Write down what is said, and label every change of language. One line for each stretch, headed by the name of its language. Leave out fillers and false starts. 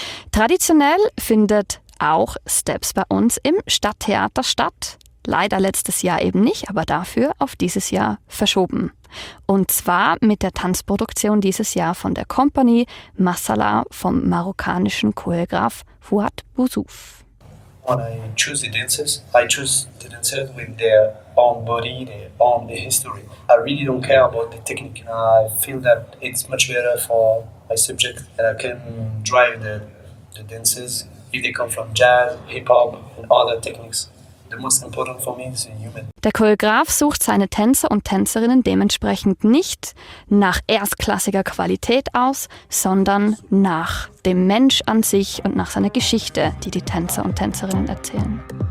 German: Traditionell findet auch Steps bei uns im Stadttheater statt. Leider letztes Jahr eben nicht, aber dafür auf dieses Jahr verschoben. Und zwar mit der Tanzproduktion dieses Jahr von der Company Masala vom marokkanischen Choreograf Fouad Bouzouf.
English: When I choose the dancers with their own body, their own the history. I really don't care about the technique. I feel that it's much better for my subject that I can drive the dancers if they come from jazz, hip-hop and other techniques. The most important for me is the human.
German: Der Choreograf sucht seine Tänzer und Tänzerinnen dementsprechend nicht nach erstklassiger Qualität aus, sondern nach dem Mensch an sich und nach seiner Geschichte, die die Tänzer und Tänzerinnen erzählen.